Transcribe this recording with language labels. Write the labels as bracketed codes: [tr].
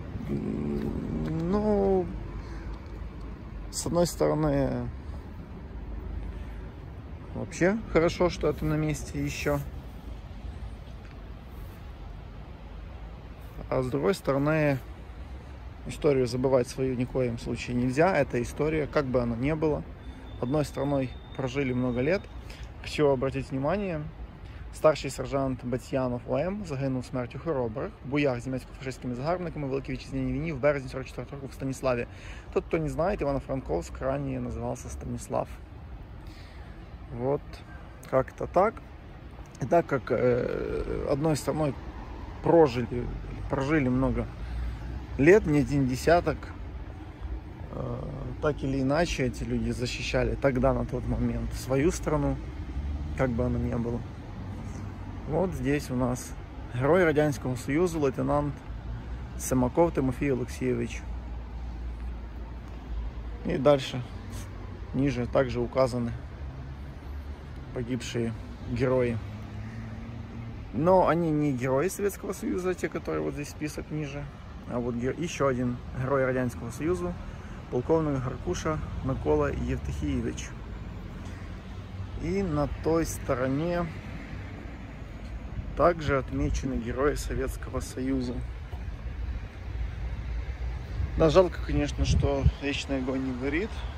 [ru] Ну, с одной стороны, вообще хорошо, что это на месте еще. А с другой стороны, историю забывать свою ни в коем случае нельзя. Это история, как бы она ни была. Одной страной прожили много лет. Хочу обратить внимание. [uk] Старший сержант Батьянов ОМ загинув смертью храбрих в боях з німецько-фашистськими загарбниками в Великій Вітчизняній війні в березні 44-го року в Станіславі. Тот, хто не знає, Івано-Франковськ раніше називався Станіслав. [ru] Вот, как-то так. [uk] І так як [ru] одною страною прожили много лет, не один десяток, так или иначе эти люди защищали тогда, на тот момент, свою страну, как бы она ни была. Вот здесь у нас герой Радянского Союза, лейтенант Семаков Тимофей Алексеевич. И дальше, ниже, также указаны погибшие герои. Но они не герои Советского Союза, те, которые вот здесь список ниже. А вот еще один герой Радянского Союза, полковник Гаркуша Микола Євтихійович. И на той стороне также отмечены герои Советского Союза. Да, жалко, конечно, что вечный огонь не горит.